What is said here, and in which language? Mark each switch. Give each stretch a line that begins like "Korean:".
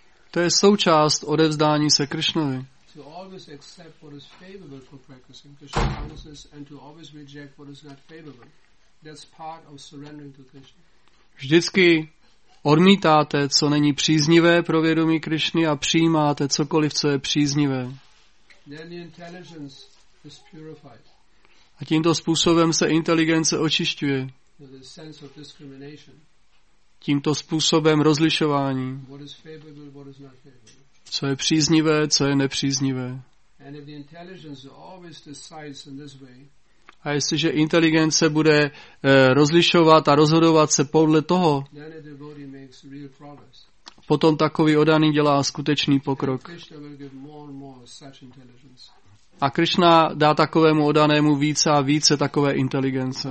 Czech: To je součást odevzdání se Krishnovi.
English: To always accept what is favorable for practicing Krishna consciousness and to always reject what is not favorable. That's part of surrendering to Krishna.
Czech: Vždycky odmítáte, co není příznivé pro vědomí Krishny a přijímáte cokoliv, co je příznivé.
English: Then the intelligence is purified.
Czech: A tímto způsobem se inteligence očišťuje.
English: The sense of discrimination.
Czech: Tímto způsobem rozlišování.
English: What is favorable, what is not favorable.
Czech: Co je příznivé, co je nepříznivé.
English: And if the intelligence always decides in this way,
Czech: a jestliže inteligence bude rozlišovat a rozhodovat se podle toho,
English: then a devotee makes real progress.
Czech: Potom takový oddaný dělá skutečný pokrok.
English: Krishna will give more and more such intelligence.
Czech: A Krishna dá takovému oddanému více a více takové inteligence.